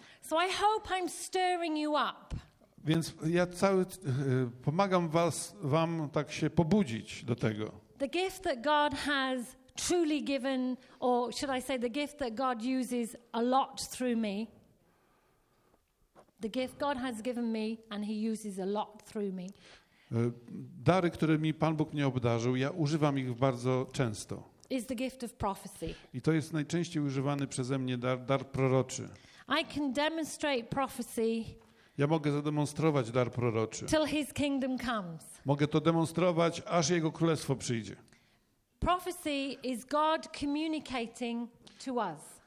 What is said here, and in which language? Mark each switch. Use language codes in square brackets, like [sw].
[en] So I hope I'm stirring you up. [pl] Więc ja cały pomagam wam tak się pobudzić do tego. [en] The gift that God has truly given, or should I say, the gift that God uses a lot through me. The gift God has given me, and He uses a lot through me. [pl] Dary, które mi Pan Bóg mnie obdarzył, ja używam ich bardzo często. [en] Is the gift of prophecy. [pl] I to jest najczęściej używany przeze mnie dar proroczy. [en] I can demonstrate prophecy. [pl] Ja mogę zademonstrować dar proroczy. [en] Till his kingdom comes. [pl] Mogę to demonstrować, aż jego królestwo przyjdzie. [en] Prophecy is God communicating to us.